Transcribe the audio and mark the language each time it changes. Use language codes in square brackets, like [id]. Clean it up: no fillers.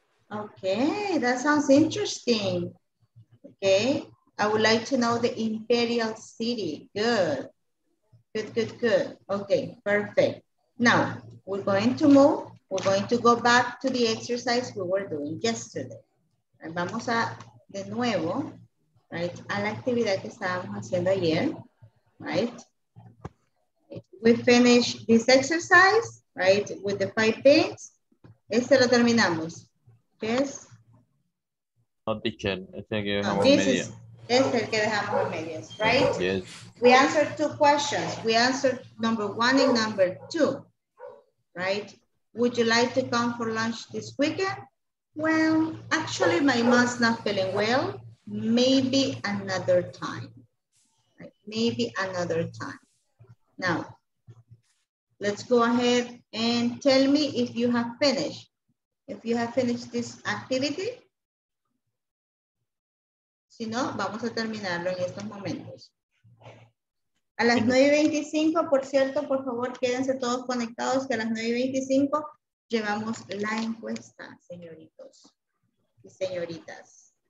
[en] Okay, that sounds interesting. Okay, I would like to know the Imperial City. Good, good, good, good. Okay, perfect. Now, we're going to move. We're going to go back to the exercise we were doing yesterday. [es] Vamos a, de nuevo, right, a la actividad que estábamos haciendo ayer, right? [en] We finish this exercise, right, with the five things. [es] Este lo terminamos. Yes? [en] No, teacher. I think you [es] have this media. Es el que dejamos en medias, right? [en] Yes. We answered two questions. We answered number one and number two, right? Would you like to come for lunch this weekend? Well, actually, my mom's not feeling well. Maybe another time. Right? Maybe another time. Now, let's go ahead and tell me if you have finished. If you have finished this activity. [es] Si no, vamos a terminarlo en estos momentos. A las 9:25, por cierto, por favor, quédense todos conectados que a las 9:25 llevamos la encuesta, señoritos y señoritas.